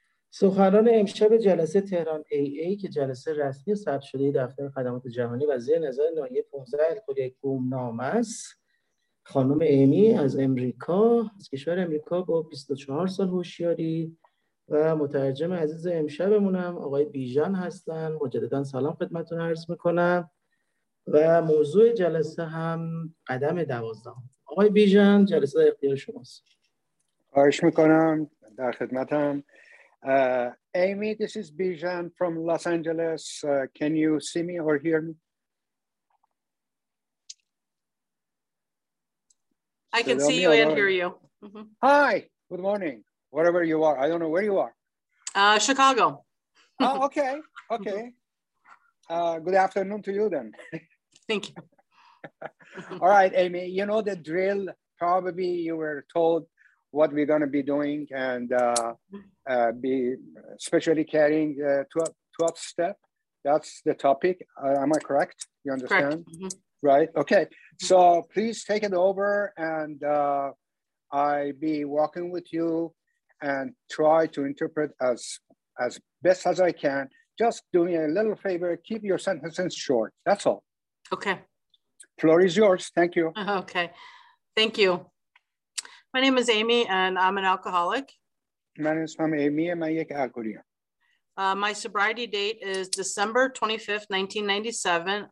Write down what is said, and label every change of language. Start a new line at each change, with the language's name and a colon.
Persian: سخنران امشب جلسه تهران AA که جلسه رسمی ثبت شده دفتر خدمات جهانی و زیر نظر نایب 15 الکلی کوم نام است، خانم ایمی از امریکا، از کشور امریکا با 24 سال هوشیاری و مترجم عزیز امشبمونم آقای بیژن هستند. مجددا سلام خدمتون عرض میکنم و موضوع جلسه هم قدم 12. آقای بیژن، جلسه در اختیار شماست. خواهش میکنم، در خدمتم.
English: Amy, this is Bijan from Los Angeles. Can you see me or hear me? I can see you and hear you. Mm-hmm. Hi, good morning. Wherever you are, I don't know where you are. Chicago. Okay. Good afternoon to you then. Thank you. All right, Amy, you know the drill. Probably you were told what we're going to be doing, and be especially carrying 12th step. That's the topic. Am I correct? You understand? Correct. Mm-hmm. Right. Okay. So please take it over, and I be walking with you and try to interpret as best as I can. Just do me a little favor. Keep your sentences short. That's all. Okay. Floor is yours. Thank you. Okay. Thank you. My name is Amy, and I'm an alcoholic.
Persian: من اسمم ایمی و من یک الکلیم.
English: My sobriety date is December 25th, 1997.